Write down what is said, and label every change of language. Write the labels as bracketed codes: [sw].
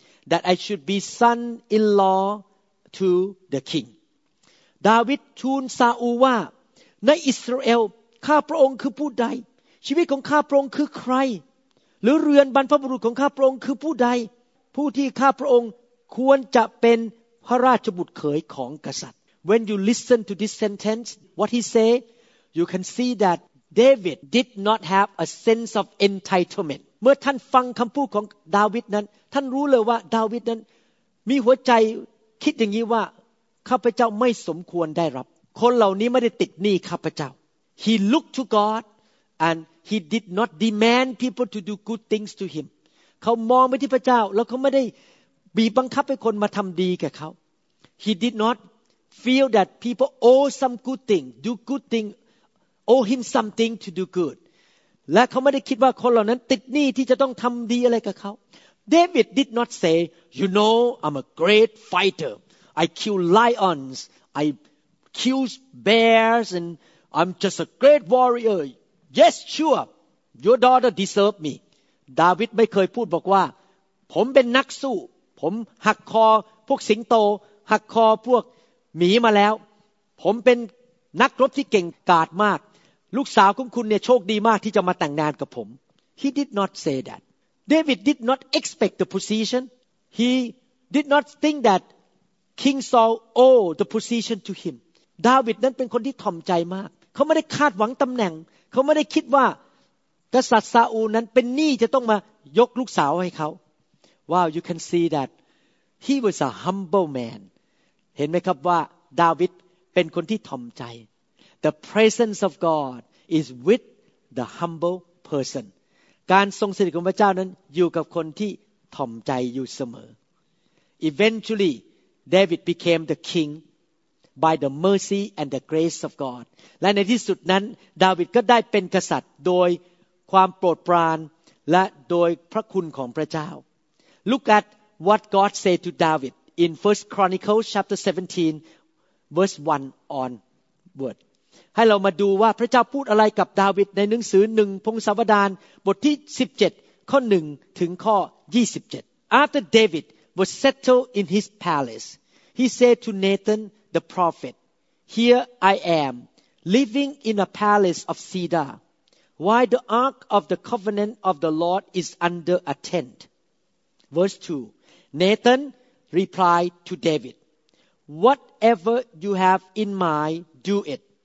[en] That I should be son-in-law to the king. [th] David ทูลซาอูลว่าในอิสราเอลข้าพระองค์คือผู้ใดชีวิตของข้าพระองค์คือใครหรือเรือนบรรพบุรุษของข้าพระองค์คือผู้ใดผู้ที่ข้าพระองค์ควรจะเป็นพระราชบุตรเขยของกษัตริย์ [en] When you listen to this sentence what he say you can see that David did not have a sense of entitlement [th] เมื่อท่านฟังคำพูดของดาวิดนั้นท่านรู้เลยว่าดาวิดนั้นมีหัวใจ คิดอย่างนี้ว่าข้าพเจ้าไม่สมควรได้รับคนเหล่านี้ไม่ได้ติดหนี้ข้าพเจ้า [en] He looked to God and he did not demand people to do good things to him [th] เขามองไปที่พระเจ้าแล้วเขาไม่ได้บีบบังคับให้คนมาทำดีแก่เขา [en] He did not feel that people owe some good thing, do good thing, owe him something to do good. [th] และเขาไม่ได้คิดว่าคนเหล่านั้นติดหนี้ที่จะต้องทำดีอะไรกับเขา [en] David did not say, You know, I'm a great fighter. I kill lions, I kill bears, and I'm just a great warrior. Yes, sure, your daughter deserved me. [th] David ไม่เคยพูดบอกว่าผมเป็นนักสู้ผมหักคอพวกสิงโตหักคอพวกหมีมาแล้วผมเป็นนักรบที่เก่งกาจมากลูกสาวของคุณเนี่ยโชคดีมากที่จะมาแต่งงานกับผม [en] He did not say that David did not expect the position He did not think that King Saul owed the position to him [th] ดาวิดนั้นเป็นคนที่ถ่อมใจมากเขาไม่ได้คาดหวังตำแหน่งเขาไม่ได้คิดว่ากษัตริย์ซาอูลนั้นเป็นหนี้จะต้องมายกลูกสาวให้เขา [en] Wow, you can see that he was a humble man. [th] เห็นไหมครับว่าดาวิดเป็นคนที่ถ่อมใจ [en] The presence of God is with the humble person. [th] การทรงสถิตของพระเจ้านั้นอยู่กับคนที่ถ่อมใจอยู่เสมอ [en] Eventually, David became the king by the mercy and the grace of God. [th] และในที่สุดนั้นดาวิดก็ได้เป็นกษัตริย์โดยความโปรดปรานและโดยพระคุณของพระเจ้า [en] Look at what God said to David in 1 Chronicles chapter 17 verse 1 onward. [th] ให้เรามาดูว่าพระเจ้าพูดอะไรกับดาวิดในหนังสือ1พงศาวดารบทที่17ข้อ1ถึงข้อ27. [en] After David was settled in his palace, he said to Nathan the prophet, Here I am, living in a palace of cedar, while the ark of the covenant of the Lord is under a tent. Verse 2, Nathan replied to David, Whatever you have in mind, do it.